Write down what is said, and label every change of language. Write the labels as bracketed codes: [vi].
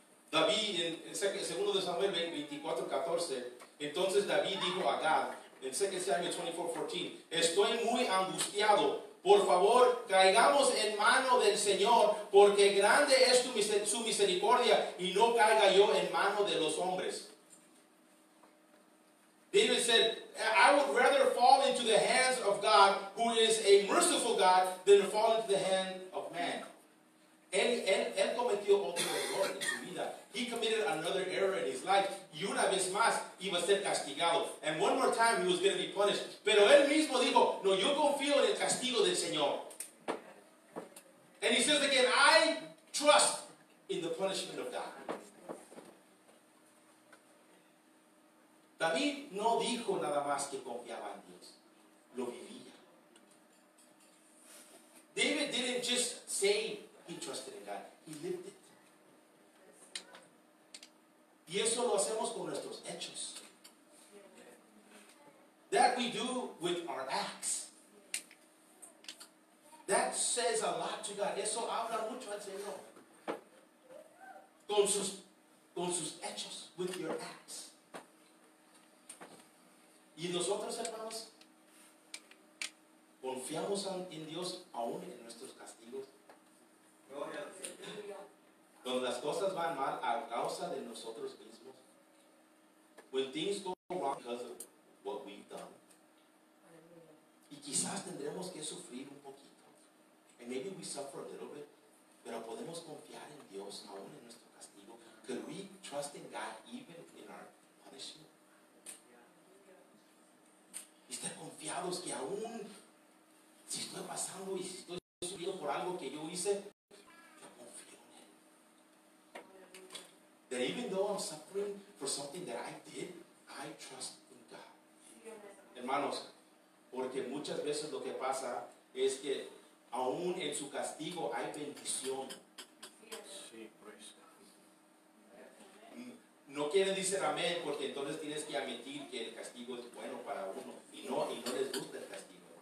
[es] David, en 2 Samuel 24:14, entonces David dijo a God, en 2 Samuel 24:14, estoy muy angustiado. Por favor, caigamos en mano del Señor, porque grande es su misericordia, y no caiga yo en mano de los hombres. [en] David said, I would rather fall into the hands of God, who is a merciful God, than fall into the hand of man. [es] Él cometió otro error en su vida. [en] He committed another error in his life. [es] Y una vez más, iba a ser castigado. [en] And one more time, he was going to be punished. [es] Pero él mismo dijo, no, yo confío en el castigo del Señor. [en] And he says again, I trust in the punishment of God. [es] David no dijo nada más que confiaba en Dios. Lo vivía. [en] David didn't just say he trusted in God. He lived it. [es] Y eso lo hacemos con nuestros hechos. [en] That we do with our acts. That says a lot to God. [es] Eso habla mucho al Señor. Con sus hechos, [en] with your acts. [es] Y nosotros, hermanos, confiamos en Dios aún en nuestros castigos. Cuando las cosas van mal a causa de nosotros mismos. [en] When things go wrong because of what we've done. [es] Y quizás tendremos que sufrir un poquito. [en] And maybe we suffer a little bit. [es] Pero podemos confiar en Dios aún en nuestro castigo. [en] Could we trust in God even in our punishment? [es] Y estar confiados que aún si estoy pasando y si estoy sufriendo por algo que yo hice, yo confío en Él. [en] That even though I'm suffering for something that I did, I trust in God. [es] Hermanos, porque muchas veces lo que pasa es que aún en su castigo hay bendición. [en] Sí, praise God. [es] No quiere decir amén, porque entonces tienes que admitir que el castigo es bueno para uno y no les gusta el castigo.